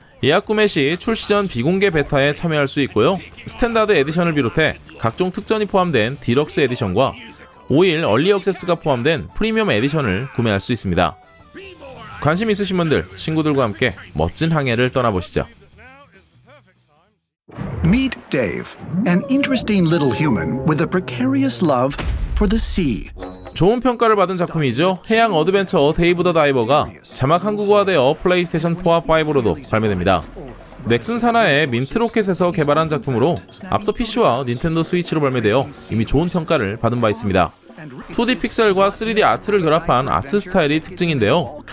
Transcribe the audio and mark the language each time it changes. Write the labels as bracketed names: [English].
[Korean] 예약 구매 시 출시 전 비공개 베타에 참여할 수 있고요. 스탠다드 에디션을 비롯해 각종 특전이 포함된 디럭스 에디션과 5일 얼리 액세스가 포함된 프리미엄 에디션을 구매할 수 있습니다. 관심 있으신 분들 친구들과 함께 멋진 항해를 떠나보시죠. [English] Meet Dave, an interesting little human with a precarious love for the sea. [Korean] 좋은 평가를 받은 작품이죠. 해양 어드벤처 데이브 더 다이버가 자막 한국어화되어 플레이스테이션 4와 5로도 발매됩니다. 넥슨 산하의 민트로켓에서 개발한 작품으로 앞서 PC와 닌텐도 스위치로 발매되어 이미 좋은 평가를 받은 바 있습니다. 2D 픽셀과 3D 아트를 결합한 아트 스타일이 특징인데요.